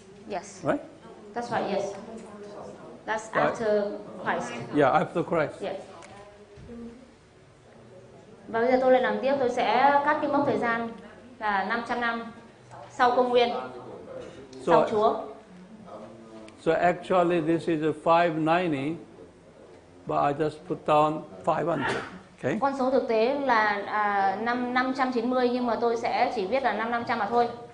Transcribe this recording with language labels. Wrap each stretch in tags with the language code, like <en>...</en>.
<en>Yes. Right. That's right. Yes. That's after Christ. Yeah, after Christ. Yes.</en> <vi>Và bây giờ tôi lại làm tiếp, tôi sẽ cắt cái mốc thời gian là 500 năm sau công nguyên,</vi> <en>so,</en> <vi>sau Chúa.</vi> <en>So actually this is a 590, but I just put down 500, okay?</en> <vi>Con số thực tế là 590, nhưng mà tôi sẽ chỉ viết là 5500 mà thôi.</vi>